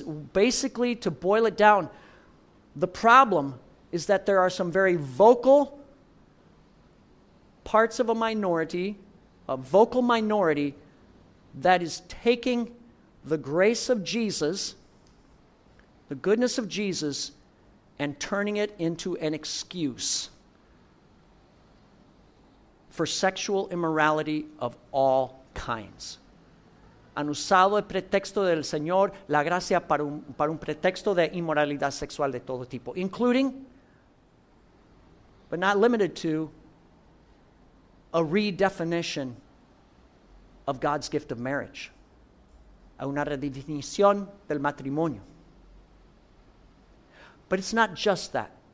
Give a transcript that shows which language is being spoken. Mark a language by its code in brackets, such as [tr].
[en] Basically, to boil it down, the problem is that there are some very vocal parts of a vocal minority that is taking the grace of Jesus, the goodness of Jesus, and turning it into an excuse for sexual immorality of all kinds. [es] Han usado el pretexto del Señor, la gracia para un pretexto de inmoralidad sexual de todo tipo, [en] including, but not limited to, a redefinition of God's gift of marriage. [es] A una redefinición del matrimonio. [en] But it's not just that.